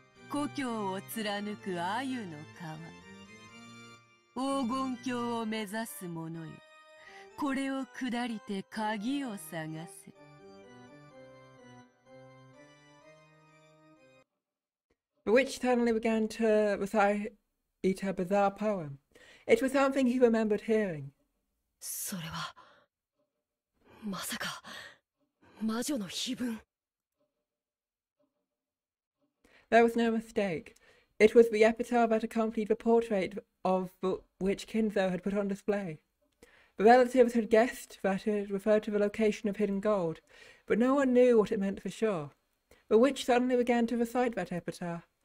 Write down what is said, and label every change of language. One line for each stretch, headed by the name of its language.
Japanese: 故郷を貫く鮎の川、黄金郷を目指す者よ、これを下りて鍵を探せ。
English: The witch suddenly began to recite a bizarre poem. It was something he remembered hearing.
Japanese: それはまさか魔女の碑文。
English: There was no mistake. It was the epitaph that accompanied the portrait of the witch Kinzo had put on display. The relatives had guessed that it referred to the location of hidden gold, but no one knew what it meant for sure. The witch suddenly began to recite that epitaph.